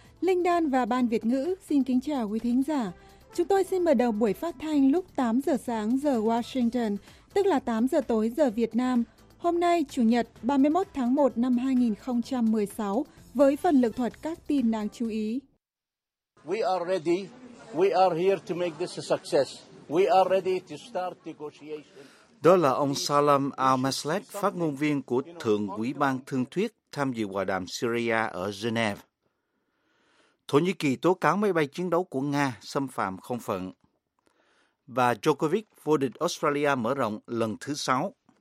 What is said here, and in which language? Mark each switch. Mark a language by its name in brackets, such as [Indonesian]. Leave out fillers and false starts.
[Vietnamese] Linh Đan và Ban Việt Ngữ xin kính chào quý thính giả. Chúng tôi xin mở đầu buổi phát thanh lúc 8 giờ sáng giờ Washington, tức là 8 giờ tối giờ Việt Nam. Hôm nay, Chủ nhật 31 tháng 1 năm 2016, với phần lược thuật các tin đáng chú ý. [English] We are ready. We are here to make this a success. We are ready to start negotiations. [Vietnamese] Đó là ông Salam Al-Maslek, phát ngôn viên của Thượng Ủy ban Thương thuyết tham dự hòa đàm Syria ở Geneva. Thổ Nhĩ Kỳ tố cáo máy bay chiến đấu của Nga xâm phạm không phận. Và Djokovic vô địch Australia mở rộng lần thứ 6.